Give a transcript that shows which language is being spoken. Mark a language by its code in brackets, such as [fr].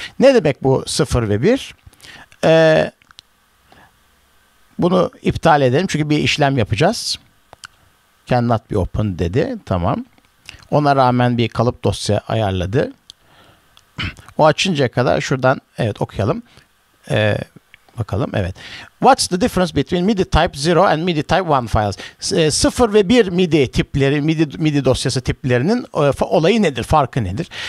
[tr] Ne demek bu 0 ve 1? Bunu iptal edelim çünkü bir işlem yapacağız. [en] Cannot be open [tr] dedi. Tamam. Ona rağmen bir kalıp dosya ayarladı. O açıncaya kadar şuradan evet okuyalım. Bakalım evet. [en] What's the difference between MIDI type 0 and MIDI type 1 files? [tr] 0 ve 1 MIDI tipleri, MIDI dosyası tiplerinin olayı nedir, farkı nedir?